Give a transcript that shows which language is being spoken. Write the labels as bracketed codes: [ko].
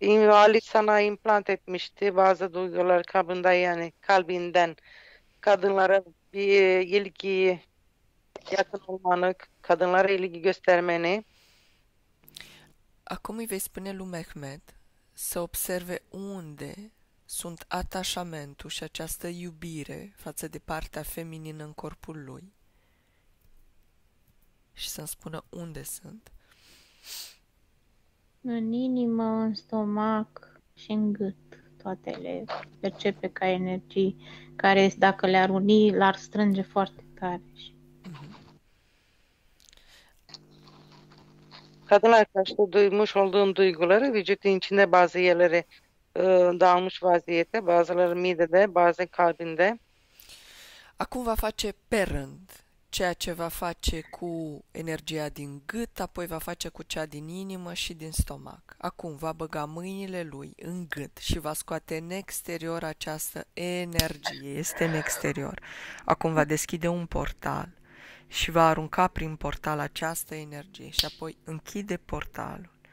[tr] Ali sana implant etmişti bazı duyguları kabında yani kalbinden kadınlara bir ilgi yakın olmanı, kadınlara ilgi göstermeni. [ro] Acum îi vei spune lui Mehmet să observe unde sunt atașamentul și această iubire față de partea feminină în corpul lui și să-mi spună unde sunt. În inimă, în stomac și în gât, toate le percepe ca energii care, dacă le-ar uni, l-ar strânge foarte tare. [tr] Kadınlar karşıda duymuş olduğun duyguları vücudun içinde bazı yerlere dağılmış vaziyette, bazıları midede, bazen kalbinde. [ro] Acum va face pe rând ceea ce va face cu energia din gât, apoi va face cu cea din inimă și din stomac. Acum va băga mâinile lui în gât și va scoate în exterior această energie. Este în exterior. Acum va deschide un portal și va arunca prin portal această energie și apoi închide portalul.